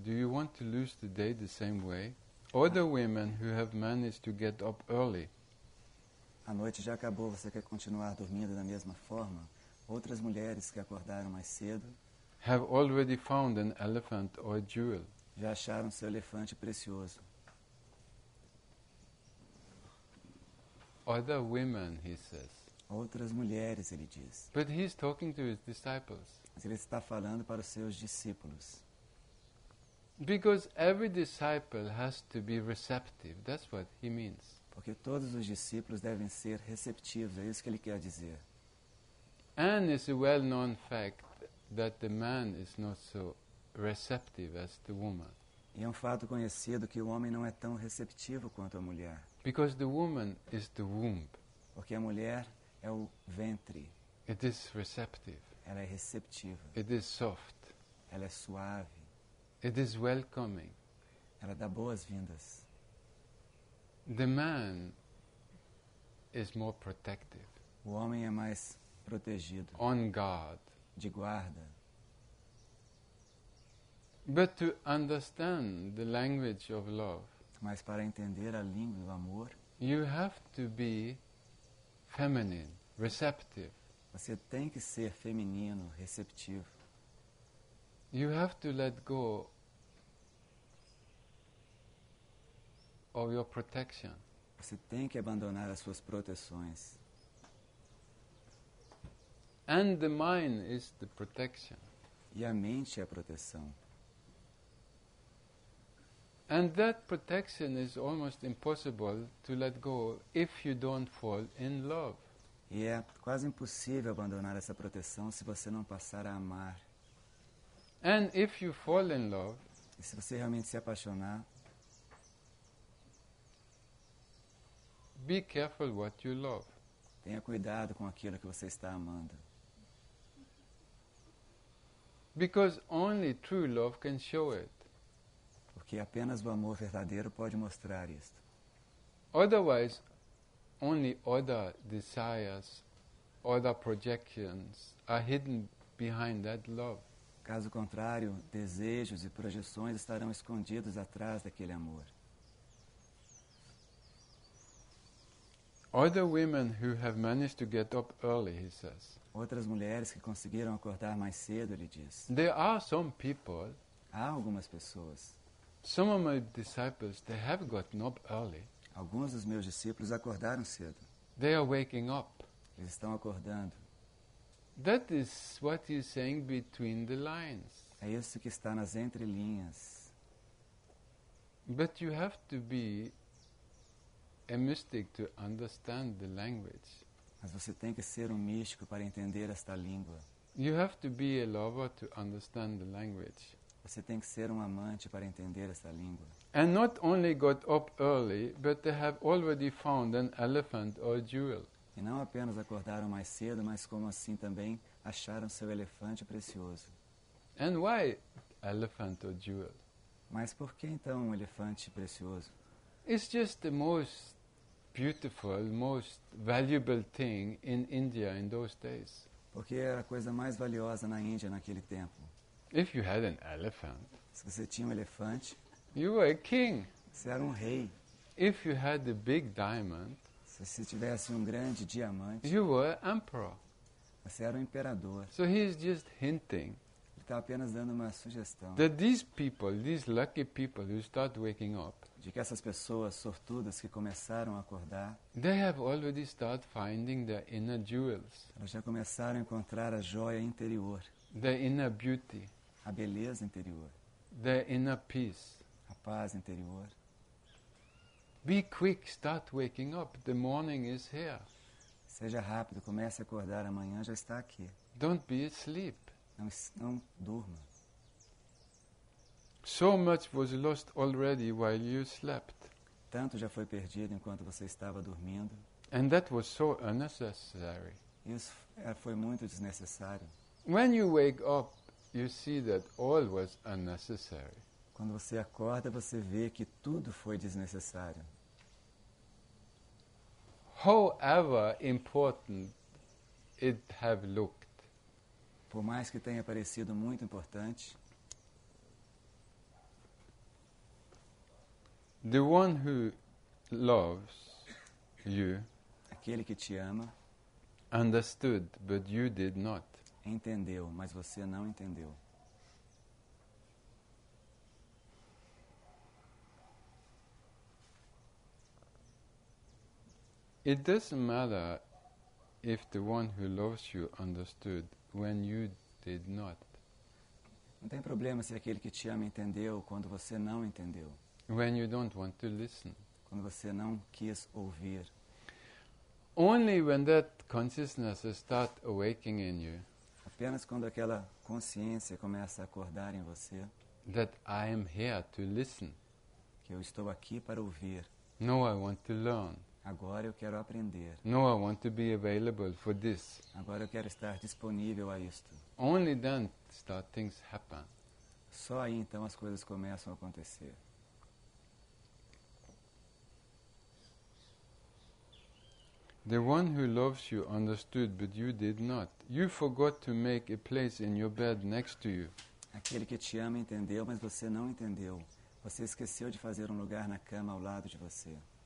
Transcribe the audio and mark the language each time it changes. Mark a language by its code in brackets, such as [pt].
[en] Do you want to lose the day the same way? Other women who have managed to get up early. [pt] A noite já acabou. Você quer continuar dormindo da mesma forma? Outras mulheres que acordaram mais cedo. [en] Have already found an elephant or a jewel. [pt] Já acharam seu elefante precioso. [en] Other women, he says. [pt] Outras mulheres, ele diz. [en] But he's talking to his disciples. [pt] Mas ele está falando para os seus discípulos. [en] Because every disciple has to be receptive. That's what he means. [pt] Porque todos os discípulos devem ser receptivos. É isso que ele quer dizer. [en] And it's a well-known fact that the man is not so receptive as the woman. [pt] E é um fato conhecido que o homem não é tão receptivo quanto a mulher. [en] Because the woman is the womb. [pt] Porque a mulher é o ventre. [en] It is receptive. [pt] Ela é receptiva. [en] It is soft. [pt] Ela é suave. [en] It is welcoming. [pt] Ela dá boas-vindas. [en] The man is more protective. [pt] O homem é mais protegido. [en] On guard. [pt] De guarda. [en] But to understand the language of love. [pt] Mas para entender a língua do amor, [en] you have to be feminine, receptive. [pt] Você tem que ser feminino, receptivo. [en] You have to let go of your protection. [pt] Você tem que abandonar as suas proteções. [en] And the mind is the protection. [pt] E a mente é a proteção. [en] And that protection is almost impossible to let go if you don't fall in love. [pt] E é quase impossível abandonar essa proteção se você não passar a amar. [en] And if you fall in love, [pt] e se você realmente se apaixonar, [en] be careful what you love. [pt] Tenha cuidado com aquilo que você está amando. [en] Because only true love can show it. [pt] Porque apenas o amor verdadeiro pode mostrar isto. [en] Otherwise, only other desires other projections are hidden behind that love. [pt] Caso contrário, desejos e projeções estarão escondidos atrás daquele amor. [en] Other women who have managed to get up early, he says. [pt] Outras mulheres que conseguiram acordar mais cedo, ele diz. [en] There are some people. [pt] Há algumas pessoas. [en] Some of my disciples, they have gotten up early. [pt] Alguns dos meus discípulos acordaram cedo. [en] They are waking up. [pt] Eles estão acordando. [en] That is what he's saying between the lines. [pt] É isso que está nas entrelinhas. [en] But you have to be a mystic to understand the language. [pt] Mas você tem que ser místico para entender esta língua. [en] You have to be a lover to understand the language. [pt] Você tem que ser amante para entender esta língua. [en] And not only got up early, but they have already found an elephant or jewel. [pt] E não apenas acordaram mais cedo, mas como assim também acharam seu elefante precioso. [en] And why elephant or jewel? [pt] Mas por que então elefante precioso? [en] It's just the most beautiful, most valuable thing in India in those days. [pt] Porque era a coisa mais valiosa na Índia naquele tempo. [en] If you had an elephant, [pt] se você tinha elefante, [en] you were a king. [pt] Você era rei. [en] If you had a big diamond, [pt] se você tivesse grande diamante, [en] you were an emperor. [pt] Você era imperador. [en] So he is just hinting. [pt] Ele está apenas dando uma sugestão. [en] That these people, these lucky people who start waking up, [pt] de que essas pessoas sortudas que começaram a acordar, [en] they have already started finding their inner jewels. [pt] Elas já começaram a encontrar a joia interior. [en] The inner beauty. [pt] A beleza interior. [en] The inner peace. [pt] A paz interior. [en] Be quick, start waking up. The morning is here. [pt] Seja rápido, comece a acordar. Amanhã já está aqui. [en] Don't be asleep. [pt] Não durma. [en] So much was lost already while you slept. [pt] Tanto já foi perdido enquanto você estava dormindo. [en] And that was so unnecessary. [pt] Isso foi muito desnecessário. [en] When you wake up, you see that all was unnecessary. [pt] Quando você acorda, você vê que tudo foi desnecessário. [en] However important it have looked. [pt] Por mais que tenha parecido muito importante. [en] The one who loves you. [pt] Aquele que te ama. [en] Understood, but you did not. [pt] Entendeu, mas você não entendeu. [en] It doesn't matter if the one who loves you understood when you did not. [pt] Não tem problema se aquele que te ama entendeu quando você não entendeu. [en] When you don't want to listen. [pt] Quando você não quis ouvir. [en] Only when that consciousness starts awakening in you. [pt] Apenas quando aquela consciência começa a acordar em você. [en] That I am here to listen. [pt] Que eu estou aqui para ouvir. [en] No, I want to learn. [pt] Agora eu quero aprender. [en] No, I want to be available for this. [pt] Agora eu quero estar disponível a isto. [en] Only then start things happen. [pt] Só aí então as coisas começam a acontecer. [en] The one who loves you understood, but you did not. You forgot to make a place in your bed next to you. [pt] Aquele que te ama entendeu, mas você não entendeu. Você esqueceu de fazer lugar na cama ao lado de você.